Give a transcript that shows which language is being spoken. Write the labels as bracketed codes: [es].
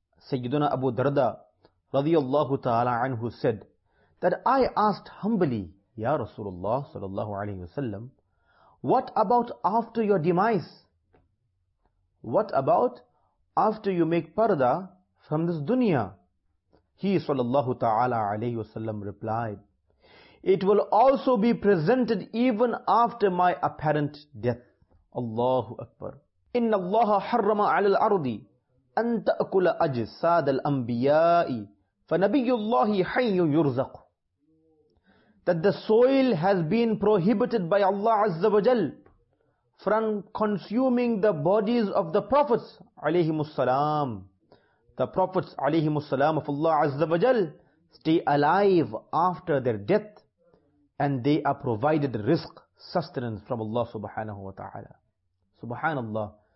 [en] Sayyiduna Abu Darda radiyallahu ta'ala anhu said that I asked humbly, Ya Rasulullah sallallahu alayhi wasallam, what about after your demise? What about after you make parda from this dunya? He sallallahu ta'ala alayhi wasallam replied, it will also be presented even after my apparent death. Allahu Akbar. [ar] Inna Allaha harrama 'alal ardi أن تأكل أجساد الأنبياء فنبي الله حي يرزق. [en] That the soil has been prohibited by Allah Azza wa Jal from consuming the bodies of the prophets عليهم السلام. The prophets عليهم السلام of Allah Azza wa Jal stay alive after their death, and they are provided rizq, sustenance from Allah subhanahu wa ta'ala. Subhanallah.